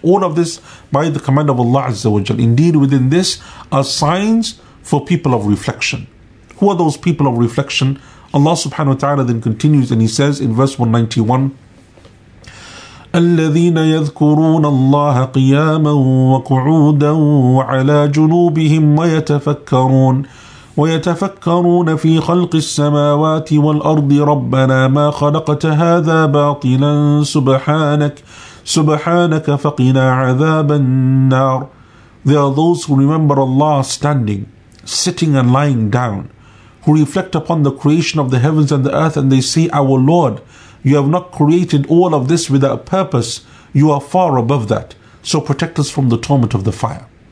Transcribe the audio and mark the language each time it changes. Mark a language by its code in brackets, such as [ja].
[en] All of this by the command of Allah Azza wa Jal. Indeed, within this are signs for people of reflection. Who are those people of reflection? Allah subhanahu wa ta'ala then continues and he says in verse 191, [ar] الَّذِينَ يَذْكُرُونَ اللَّهَ قِيَامًا وَقُعُودًا وَعَلَىٰ جُنُوبِهِمْ وَيَتَفَكَّرُونَ ويتفكرون في خلق السماوات والأرض ربنا ما خلقت هذا باطلا سبحانك فقنا عذاب النار. [en] There are those who remember Allah standing, sitting and lying down, who reflect upon the creation of the heavens and the earth and they say, Our Lord, You have not created all of this without purpose. You are far above that. So protect us from the torment of the fire.